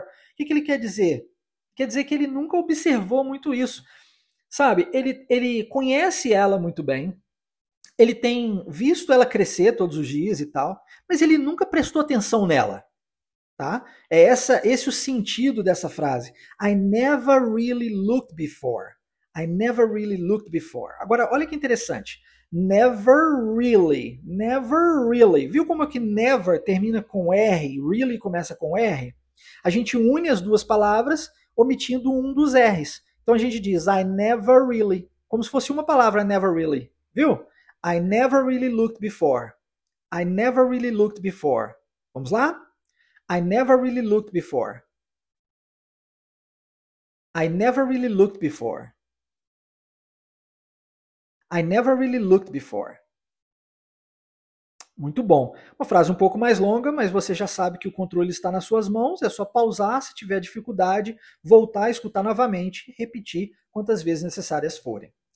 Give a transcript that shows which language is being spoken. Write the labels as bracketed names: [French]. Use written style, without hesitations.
[Portuguese] O que ele quer dizer? Quer dizer que ele nunca observou muito isso. Sabe, ele conhece ela muito bem, ele tem visto ela crescer todos os dias e tal, mas ele nunca prestou atenção nela. Tá? É esse o sentido dessa frase. [English] I never really looked before. I never really looked before. [Portuguese] Agora, olha que interessante. [English] Never really. Never really. [Portuguese] Viu como é que never termina com R e really começa com R? A gente une as duas palavras omitindo um dos R's. Então a gente diz [English] I never really. [Portuguese] Como se fosse uma palavra, [English] never really. [Portuguese] Viu? [English] I never really looked before. I never really looked before. [Portuguese] Vamos lá? [English] I never really looked before. I never really looked before. I never really looked before. [Portuguese] Muito bom. Uma frase um pouco mais longa, mas você já sabe que o controle está nas suas mãos, é só pausar se tiver dificuldade, voltar a escutar novamente e repetir quantas vezes necessárias forem.